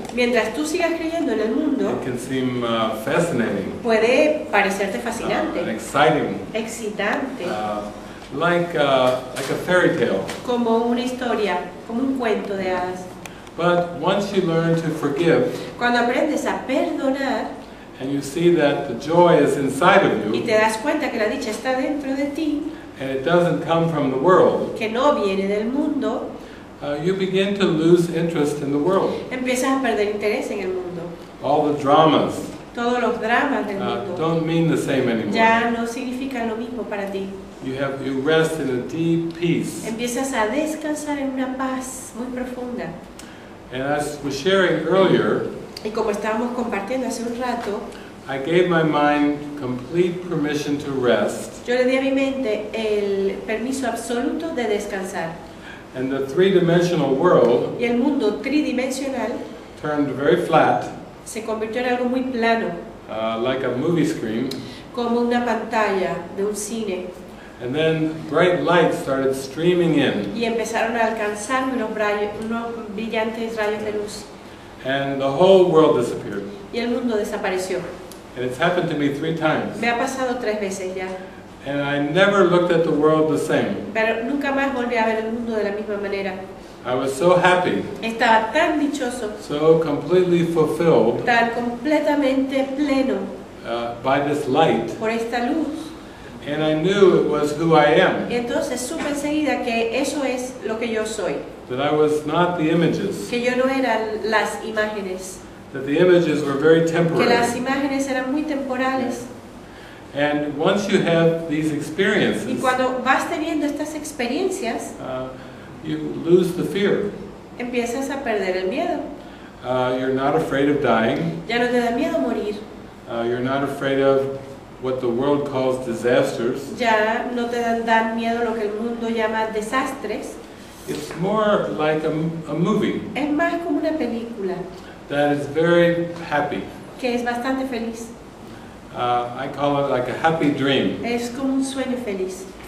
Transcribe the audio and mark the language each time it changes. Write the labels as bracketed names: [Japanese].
[Spanish] mientras tú sigas creyendo en el mundo, [English] it can seem fascinating. [Spanish] Puede parecerte fascinante. [English] Exciting. [Spanish] Excitante. [English] Like a fairy tale. [Spanish] Como una historia, como un cuento de hadas. [English] But once you learn to forgive, [Spanish] cuando aprendes a perdonar, [English] and you see that the joy is inside of you, [Spanish] y te das cuenta que la dicha está dentro de ti, [English] and it doesn't come from the world, [Spanish] que no viene del mundo, [English] you begin to lose interest in the world. [Spanish] Empiezas a perder interés en el mundo. [English] All the dramas, [Spanish] todos los dramas del mundo, [English] don't mean the same anymore. [Spanish] Ya no significan lo mismo para ti. [English] You rest in a deep peace. [Spanish] Empiezas a descansar en una paz muy profunda. [English] And as we were sharing earlier, [Spanish] y como estábamos compartiendo hace un rato, [English] I gave my mind complete permission to rest. [Spanish] Yo le di a mi mente el permiso absoluto de descansar. [English] And the three-dimensional world, [Spanish] y el mundo tridimensional, [English] turned very flat, [Spanish] se convirtió en algo muy plano, [English] like a movie screen, [Spanish] como una pantalla de un cine. [English] And then bright lights started streaming in. [Spanish] Y empezaron a alcanzar unos brillantes rayos de luz. [English] And the whole world disappeared. [Spanish] Y el mundo desapareció. [English] And it's happened to me 3 times. [Spanish] Me ha pasado 3 veces ya. [English] And I never looked at the world the same. [Spanish] Pero nunca más volví a ver el mundo de la misma manera. [English] I was so happy. [Spanish] Estaba tan dichoso. [English] So completely fulfilled. [Spanish] Tan completamente pleno. [English] By this light. [Spanish] Por esta luz. [English] And I knew it was who I am. [Spanish] Y entonces supe enseguida que eso es lo que yo soy. [English] That I was not the images. [Spanish] Que yo no era las imágenes. [English] That the images were very temporary. [Spanish] Que las imágenes eran muy temporales. [English] And once you have these experiences, [Spanish] y cuando vas teniendo estas experiencias, [English] you lose the fear. [Spanish] Empiezas a perder el miedo. [English] You're not afraid of dying. [Spanish] Ya no te da miedo morir. [English] You're not afraid of what the world calls disasters. [Spanish] Ya no te dan miedo lo que el mundo llama desastres. [English] It's more like a movie. [Spanish] Es más como una película. [English] That is very happy. [Spanish] Que es bastante feliz. [English] I call it like a happy dream. [Spanish] Es como un sueño feliz.